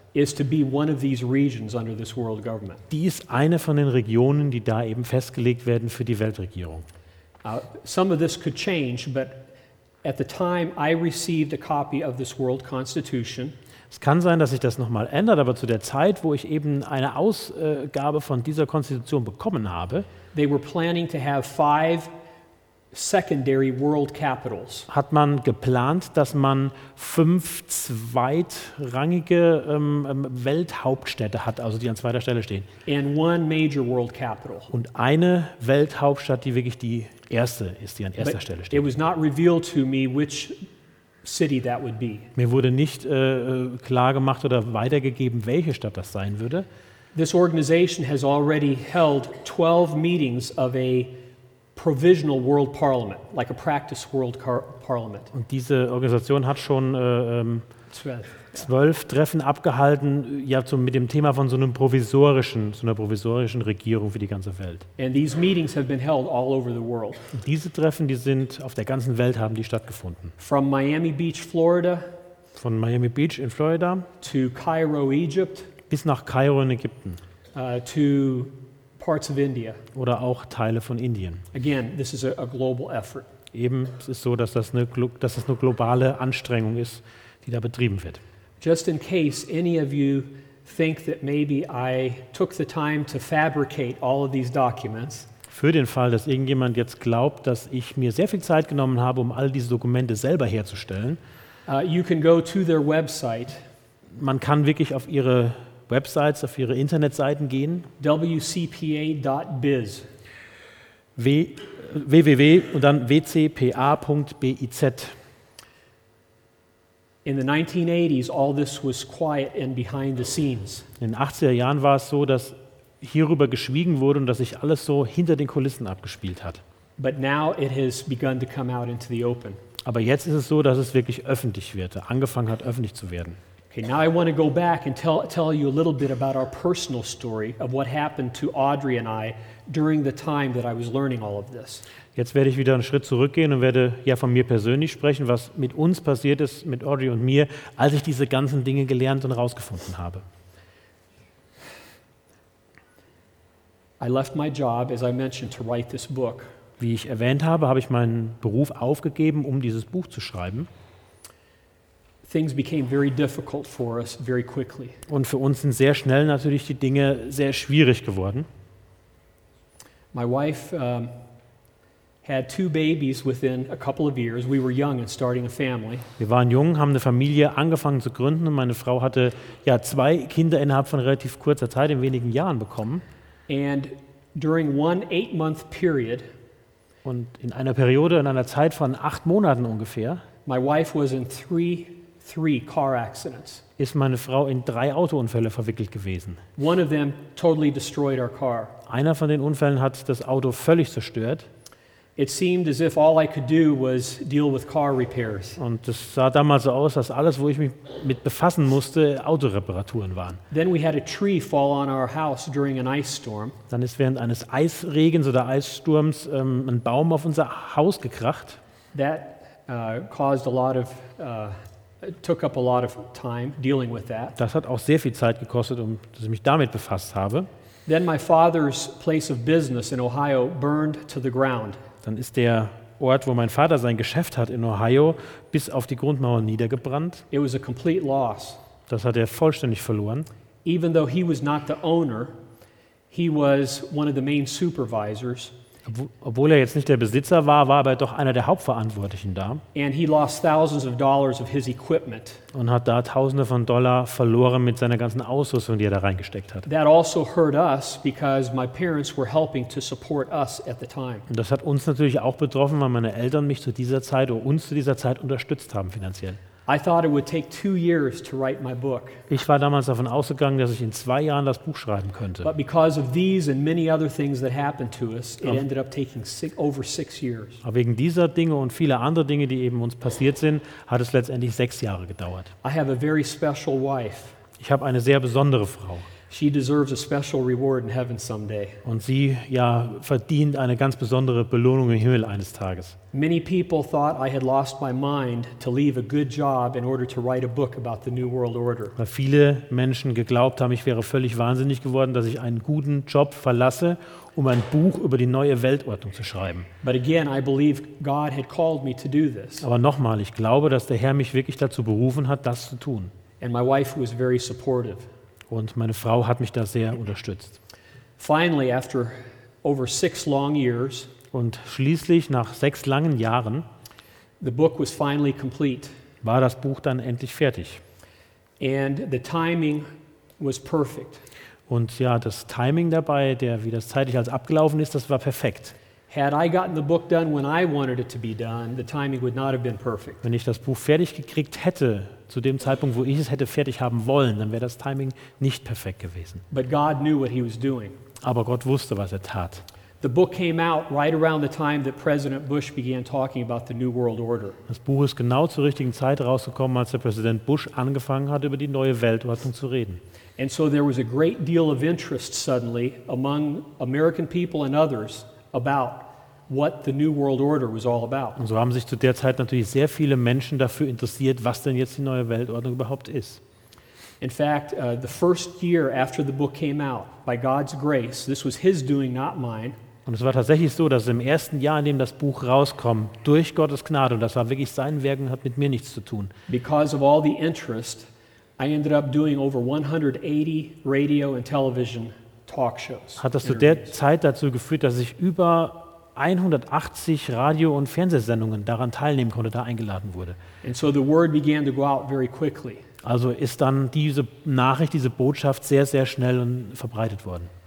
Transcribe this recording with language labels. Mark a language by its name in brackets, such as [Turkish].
[English] is to be one of these regions under this world government. [German] Die ist eine von den Regionen, die da eben festgelegt werden für die Weltregierung. [English] Some of this could change, but at the time I received a copy of this world constitution. [German] Es kann sein, dass sich das nochmal ändert, aber zu der Zeit, wo ich eben eine Ausgabe von dieser Konstitution bekommen habe, [English] they were planning to have five secondary world capitals. [German] Hat man geplant, dass man 5 zweitrangige Welthauptstädte hat, also die an zweiter Stelle stehen. [English] And one major world capital. [German] Und eine Welthaupstadt, die wirklich die erste ist, die an erster [English] But [German] Stelle steht. [English] It was not revealed to me which city that would be. [German] Mir wurde nicht klar gemacht oder weitergegeben, welche Stadt das sein würde. [English] This organization has already held 12 meetings of a provisional world parliament, like a practice world parliament. [German] Und diese Organisation hat schon 12 Treffen abgehalten, mit dem Thema von so einer provisorischen Regierung für die ganze Welt. [English] And these meetings have been held all over the world. [German] Und diese Treffen, die sind auf der ganzen Welt haben die stattgefunden. [English] From Miami Beach, Florida. [German] Von Miami Beach in Florida. [English] To Cairo, Egypt. [German] Bis nach Kairo in Ägypten. [English] To parts of India. [German] Oder auch Teile von Indien. [English] Again, this is a global effort. [German] Eben, es ist so, dass das eine globale Anstrengung ist, die da betrieben wird. [English] Just in case any of you think that maybe I took the time to fabricate all of these documents. [German] Für den Fall, dass irgendjemand jetzt glaubt, dass ich mir sehr viel Zeit genommen habe, um all diese Dokumente selber herzustellen. [English] You can go to their website. [German] Man kann wirklich auf ihre Websites, auf ihre Internetseiten gehen. [English] WCPA.biz. [German] www und dann wcpa.biz. [English] In the 1980s, all this was quiet and behind the scenes. [German] In den 80er Jahren war es so, dass hierüber geschwiegen wurde und dass sich alles so hinter den Kulissen abgespielt hat. [English] But now it has begun to come out into the open. [German] Aber jetzt ist es so, dass es wirklich öffentlich wird, angefangen hat, öffentlich zu werden. [English] Okay, now I want to go back and tell you a little bit about our personal story of what happened to Audrey and I during the time that I was learning all of this. [German] Jetzt werde ich wieder einen Schritt zurückgehen und werde ja von mir persönlich sprechen, was mit uns passiert ist, mit Audrey und mir, als ich diese ganzen Dinge gelernt und rausgefunden habe. [English] I left my job, as I mentioned, to write this book. [German] Wie ich erwähnt habe, habe ich meinen Beruf aufgegeben, um dieses Buch zu schreiben. [English] Things became very difficult for us very quickly. [German] Und für uns sind sehr schnell natürlich die Dinge sehr schwierig geworden. [English] My wife had two babies within a couple of years. We were young and starting a family. [German] Wir waren jung, haben eine Familie angefangen zu gründen und meine Frau hatte ja zwei Kinder innerhalb von relativ kurzer Zeit, in wenigen Jahren bekommen. [English] And during one 8-month period. [German] Und in einer Periode, in einer Zeit von 8 Monaten ungefähr. [English] My wife was in three car accidents. [German] Ist meine Frau in 3 Autounfälle verwickelt gewesen. [English] One of them totally destroyed our car. [German] Einer von den Unfällen hat das Auto völlig zerstört. [English] It seemed as if all I could do was deal with car repairs. [German] Und es sah damals so aus, dass alles, wo ich mich mit befassen musste, Autoreparaturen waren. [English] Then we had a tree fall on our house during an ice storm. [German] Dann ist während eines Eisregens oder Eissturms ein Baum auf unser Haus gekracht. [English] That caused a lot of took up a lot of time dealing with that. [German] Das hat auch sehr viel Zeit gekostet, um dass ich mich damit befasst habe. [English] Then my father's place of business in Ohio burned to the ground. [German] Dann ist der Ort, wo mein Vater sein Geschäft hat in Ohio, bis auf die Grundmauern niedergebrannt. [English] It was a complete loss. [German] Das hat er vollständig verloren. [English] Even though he was not the owner, he was one of the main supervisors. [German] Obwohl er jetzt nicht der Besitzer war, war aber doch einer der Hauptverantwortlichen da. [English] And he lost thousands of dollars of his equipment. [German] Und hat da Tausende von Dollar verloren mit seiner ganzen Ausrüstung, die er da reingesteckt hat. [English] That also hurt us because my parents were helping to support us at the time. [German] Und das hat uns natürlich auch betroffen, weil meine Eltern mich zu dieser Zeit oder uns zu dieser Zeit unterstützt haben finanziell. [English] I thought it would take 2 years to write my book. [German] Ich war damals davon ausgegangen, dass ich in 2 Jahren das Buch schreiben könnte. [English] But because of these and many other things that happened to us, it ended up taking over 6 years. [German] Aber wegen dieser Dinge und vieler anderer Dinge, die eben uns passiert sind, hat es letztendlich 6 Jahre gedauert. [English] I have a very special wife. [German] Ich habe eine sehr besondere Frau. [English] She deserves a special reward in heaven someday. [German] Und sie ja verdient eine ganz besondere Belohnung im Himmel eines Tages. [English] Many people thought I had lost my mind to leave a good job in order to write a book about the New World Order. [German] Weil viele Menschen geglaubt haben, ich wäre völlig wahnsinnig geworden, dass ich einen guten Job verlasse, um ein Buch über die neue Weltordnung zu schreiben. [English] But again, I believe God had called me to do this. [German] Aber nochmal, ich glaube, dass der Herr mich wirklich dazu berufen hat, das zu tun. [English] And my wife was very supportive. [German] Und meine Frau hat mich da sehr unterstützt. [English] Finally, after over 6 long years, [German] und schließlich nach 6 langen Jahren, [English] the book was finally complete. [German] War das Buch dann endlich fertig. [English] And the timing was perfect. [German] Und ja, das Timing dabei, der wie das zeitlich als abgelaufen ist, das war perfekt. [English] Had I gotten the book done when I wanted it to be done, the timing would not have been perfect. [German] Wenn ich das Buch fertig gekriegt hätte, zu dem Zeitpunkt, wo ich es hätte fertig haben wollen, dann wäre das Timing nicht perfekt gewesen. [English] But God knew what he was doing. [German] Aber Gott wusste, was er tat. [English] The book came out right around the time that President Bush began talking about the New World Order. [German] Das Buch ist genau zur richtigen Zeit rausgekommen, als der Präsident Bush angefangen hat, über die neue Weltordnung zu reden. [English] And so there was a great deal of interest suddenly among American people and others about what the New World Order was all about. [German] Und so haben sich zu der Zeit natürlich sehr viele Menschen dafür interessiert, was denn jetzt die neue Weltordnung überhaupt ist. [English] In fact, the first year after the book came out, by God's grace, this was his doing, not mine. [German] Und es war tatsächlich so, dass im ersten Jahr, in dem das Buch rauskam, durch Gottes Gnade, und das war wirklich sein Werk und hat mit mir nichts zu tun. [English] Because of all the interest, I ended up doing over 180 radio and television talk shows. [German] Hat das zu der Zeit dazu geführt, dass ich über 180 Radio- und Fernsehsendungen daran teilnehmen konnte, da eingeladen wurde. [English] And so the word began to go out very quickly. [German] Also ist dann diese Nachricht, diese Botschaft sehr, sehr schnell verbreitet worden.